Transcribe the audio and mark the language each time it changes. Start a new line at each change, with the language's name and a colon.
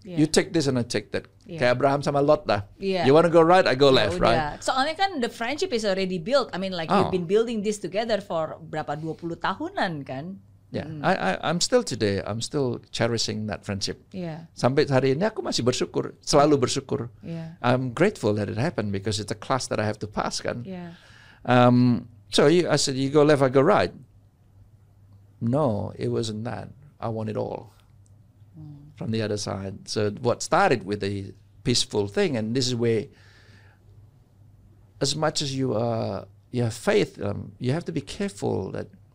English: You take this and I take that.
Indonesian: Yeah. Kayak Abraham sama Lot lah.
English: Yeah. You wanna go right, I go left, right?
Indonesian: Soalnya kan
English: the friendship is already built. I mean like you've been building this together for
Indonesian: berapa 20 tahunan kan?
English: Yeah, I'm still cherishing that friendship. Yeah.
Indonesian: Sampai hari ini aku masih bersyukur, selalu bersyukur.
English: Yeah. I'm grateful that it happened because it's a class that I have to pass, kan? Yeah. So I said, you go left, I go right. No, it wasn't that. I want it all from the other side. So what started with a peaceful thing, and this is where, as much as you have faith, you have to be careful that.